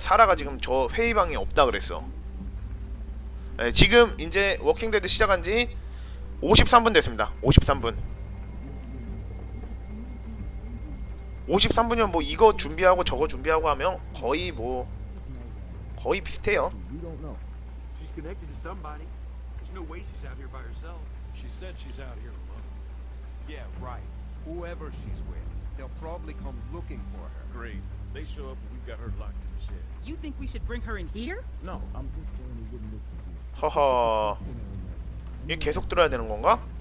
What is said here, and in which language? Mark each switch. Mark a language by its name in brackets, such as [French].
[Korean] 사라가 지금 저 회의방에 없다 그랬어. 네, 지금 이제 워킹데드 시작한 지 53분 됐습니다. 53분. 53분이면 뭐 이거 준비하고 저거 준비하고 하면 거의 뭐 거의 비슷해요. [English] She's connected to somebody. There's no way she's out here by herself. She said she's out here alone. Yeah, right. Whoever she's with, they'll probably come looking for her. Great. They show up and we've got her locked in the shed. You think we should bring her in here? No, I'm just saying we wouldn't look. [Korean] 허허, 이게 계속 들어야 되는 건가?